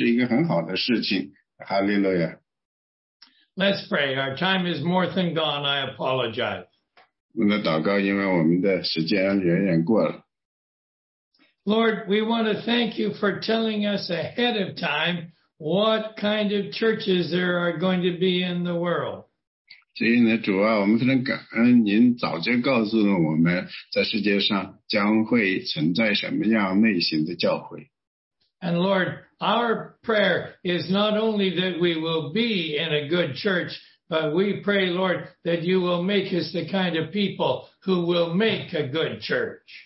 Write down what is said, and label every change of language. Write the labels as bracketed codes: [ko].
[zh] 因为这个呢，就是对印的答案的一个一点点的那个印的问题的一个点点答案，不是说全部的最终的答案。但是呢，有一点呢非常非常好的，就是有些人对新移民说你去教会，这是一个很好的事情。Hallelujah. [en] Let's pray. Our time is more than gone. I apologize. [zh] 我们的祷告，因为我们的时间远远过了。Lord, [en] we want to thank you for telling us ahead of time what kind of churches there are going to be in the world. [zh] 所以呢，主啊，我们非常感恩您早就告诉了我们，在世界上将会存在什么样类型的教会。And [en] Lord, our prayer is not only that we will be in a good church, but we pray, Lord, that you will make us the kind of people who will make a good church.